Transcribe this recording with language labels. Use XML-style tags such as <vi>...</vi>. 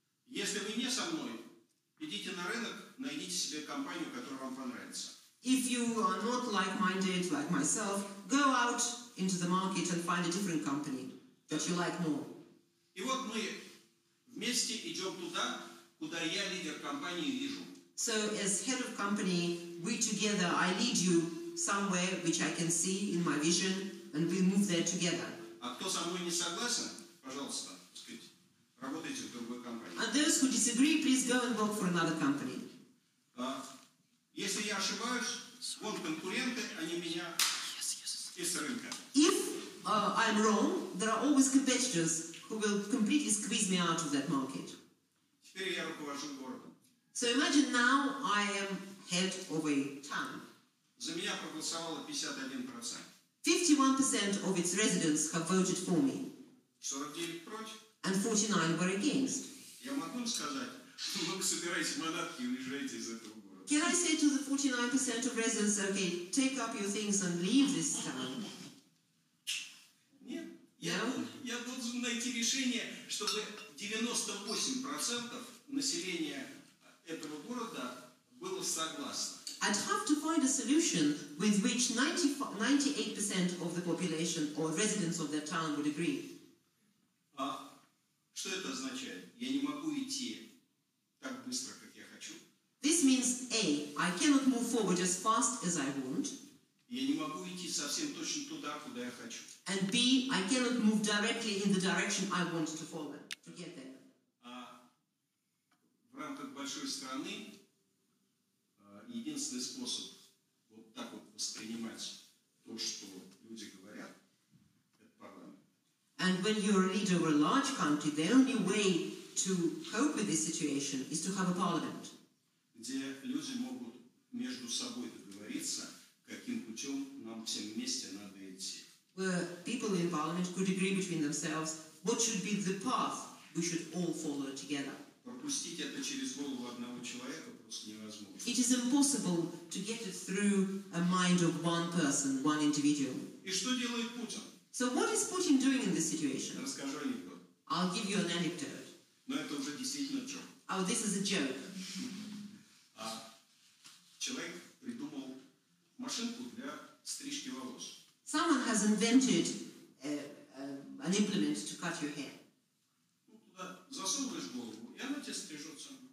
<ru>Если вы не со мной, идите на рынок, найдите себе компанию, которая вам понравится.</ru> <en>If you are not like-minded, like myself, go out into the market and find a different company that you like more.</en> <ru>И вот мы вместе идем туда, куда я лидер компании вижу.</ru> <en>So as head of company, we together, I lead you somewhere which I can see in my vision, and we move there together.</en> <ru>А кто со мной не согласен, пожалуйста, так сказать, работайте в другой компании.</ru> <en>And those who disagree, please go and work for another company.</en> <ru>Если я ошибаюсь, вот конкуренты, они меня из рынка.</ru> <en>If I'm wrong, there are always competitors who will completely squeeze me out of that market.</en> <ru>Теперь я руковожу городом.</ru> <en>So imagine now I am head of a town.</en> <ru>За меня проголосовало 51%.</ru> <en>51% of its residents have voted for me.</en> <ru>49 против.</ru> <en>And 49 were against.</en> <ru>Я могу сказать, что вы собираете манатки и уезжаете из этого.</ru> <en>Can I say to the 49% of residents, okay, take up your things and leave this town?</en> <ru>Я должен найти решение, чтобы 98% населения этого города было согласно.</ru> <en>I'd have to find a solution with which 98% of the population or residents of that town would agree.</en> <ru>А что это означает? Я не могу идти так быстро, как я хочу.</ru> <en>This means A, I cannot move forward as fast as I want.</en> <ru>Я не могу идти совсем точно туда, куда я хочу.</ru> <en>And B, I cannot move directly in the direction I want to follow, to get there.</en> <ru>А в рамках большой страны единственный способ вот так вот воспринимать то, что люди говорят, это парламент.</ru> <en>And when you're a leader of a large country, the only way to cope with this situation is to have a parliament.</en> <ru>Где люди могут между собой договориться, каким путем нам всем вместе надо идти.</ru> <en>Where people in parliament could agree between themselves what should be the path we should all follow together.</en> <ru>Пропустить это через голову одного человека просто невозможно.</ru> <en>It is impossible to get it through a mind of one person, one individual.</en> <ru>И что делает Путин?</ru> <en>So what is Putin doing in this situation?</en> <ru>Расскажу анекдот.</ru> <en>I'll give you an anecdote.</en> <ru>Но это уже действительно joke.</ru> <en>Oh, this is a joke.</en> <ru>А человек придумал машинку для стрижки волос.</ru> <en>Someone has invented an implement to cut your hair.</en> <ru>Ну, туда засовываешь голову, и она тебе стрижется.</ru>